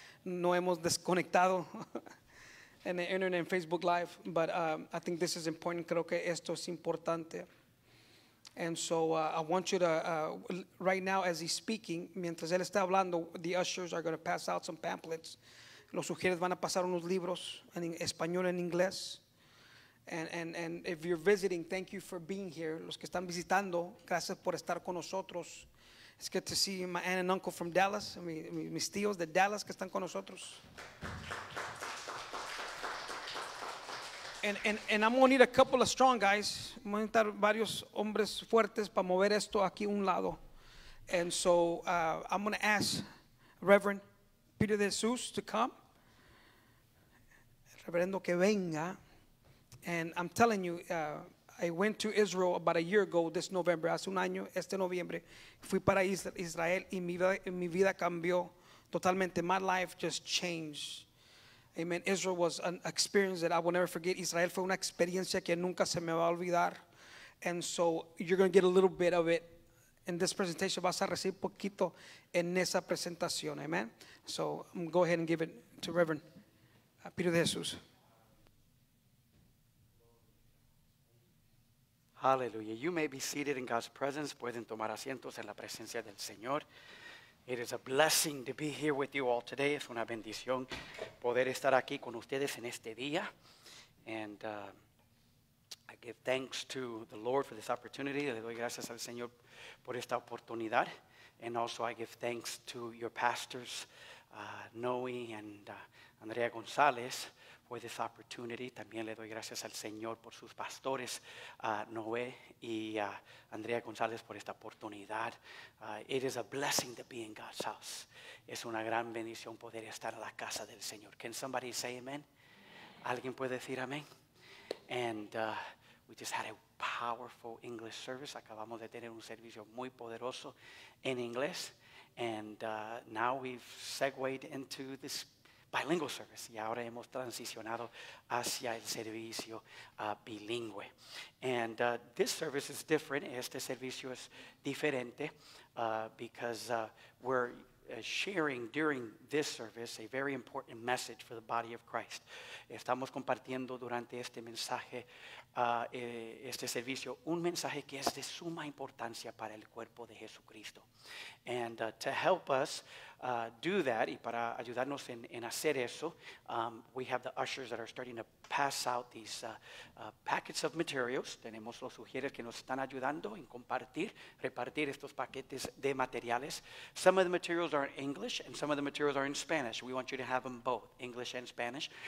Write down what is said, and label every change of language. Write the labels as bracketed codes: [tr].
[es] No hemos desconectado. [en] And the internet and Facebook Live, but I think this is important. [es] Creo que esto es importante. [en] And so I want you to, right now as he's speaking, [es] mientras él está hablando, [en] the ushers are going to pass out some pamphlets. [es] Los sugieres van a pasar unos libros en español y en inglés. [en] And if you're visiting, thank you for being here. [es] Los que están visitando, gracias por estar con nosotros. [en] It's good to see my aunt and uncle from Dallas, [es] mis tíos de Dallas que están con nosotros. [en] And I'm gonna need a couple of strong guys. I'm gonna need [es] varios hombres fuertes para mover esto aquí un lado. [en] And so I'm gonna ask Reverend Peter de Jesus to come. [es] Reverendo que venga. [en] And I'm telling you, I went to Israel about a year ago this November. [es] Hace un año, este noviembre, fui para Israel y mi vida cambió totalmente. [en] My life just changed. Amen. Israel was an experience that I will never forget. [es] Israel fue una experiencia que nunca se me va a olvidar. [en] And so you're going to get a little bit of it in this presentation. [es] Vas a recibir poquito en esa presentación. Amen. [en] So go ahead and give it to Reverend Peter de Jesus. Hallelujah. You may be seated in God's presence. [es] Pueden tomar asientos en la presencia del Señor. [en] It is a blessing to be here with you all today. [es] Es una bendición poder estar aquí con ustedes en este día. [en] And I give thanks to the Lord for this opportunity. [es] Le doy gracias al Señor por esta oportunidad. [en] And also I give thanks to your pastors, Noe and Andrea Gonzalez, for this opportunity. [es] También le doy gracias al Señor por sus pastores, Noé y Andrea González, por esta oportunidad. [en] It is a blessing to be in God's house. [es] Es una gran bendición poder estar en la casa del Señor. [en] Can somebody say amen? [es] ¿Alguien puede decir amén? [en] And we just had a powerful English service. [es] Acabamos de tener un servicio muy poderoso en inglés. [en] And now we've segued into this bilingual service. [es] Y ahora hemos transicionado hacia el servicio bilingüe. [en] And this service is different. [es] Este servicio es diferente [en] because we're sharing during this service a very important message for the body of Christ. [es] Estamos compartiendo durante este mensaje, este servicio, un mensaje que es de suma importancia para el cuerpo de Jesucristo. [en] And to help us do that, [es] y para ayudarnos en hacer eso, [en] we have the ushers that are starting to pass out these packets of materials. [es] Tenemos los ushers que nos están ayudando en compartir, repartir estos paquetes de materiales. [en] Some of the materials are in English and some of the materials are in Spanish. We want you to have them both, English and Spanish.